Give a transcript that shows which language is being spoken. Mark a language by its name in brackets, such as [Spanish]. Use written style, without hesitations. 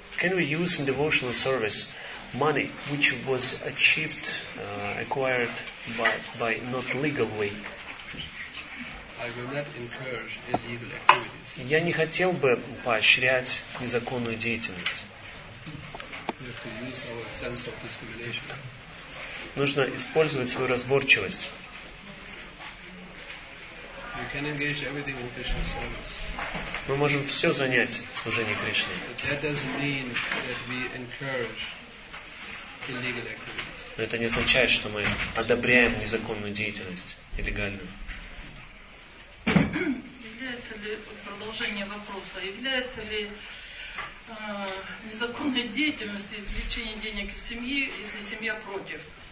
[English] Can we use in devotional service money which was achieved, acquired by not legal way? I will not encourage illegal activities. [Russian] Я не хотел бы поощрять незаконную деятельность. [English] We have to use our sense of discrimination. [Russian] Нужно использовать свою разборчивость. [English] You can engage everything in Krishna service. [Russian] Мы можем все занять в служении Кришне. [English] But that doesn't mean that we encourage illegal activities. [Russian] Но это не означает, что мы одобряем незаконную деятельность, нелегальную. Является ли продолжение вопроса? Является ли незаконная деятельность извлечение денег из семьи, если семья против?